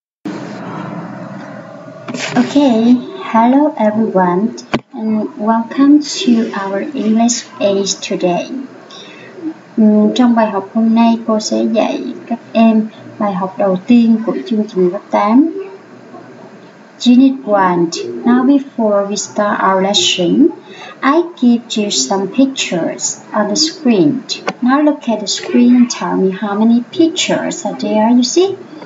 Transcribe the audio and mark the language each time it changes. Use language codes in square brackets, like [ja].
[en] Okay, hello everyone, and welcome to our English page today. [vi] Trong bài học hôm nay, cô sẽ dạy các em bài học đầu tiên của chương trình lớp 8. [en] Unit 1. Now before we start our lesson, I give you some pictures on the screen. Now look at the screen and tell me how many pictures are there, you see?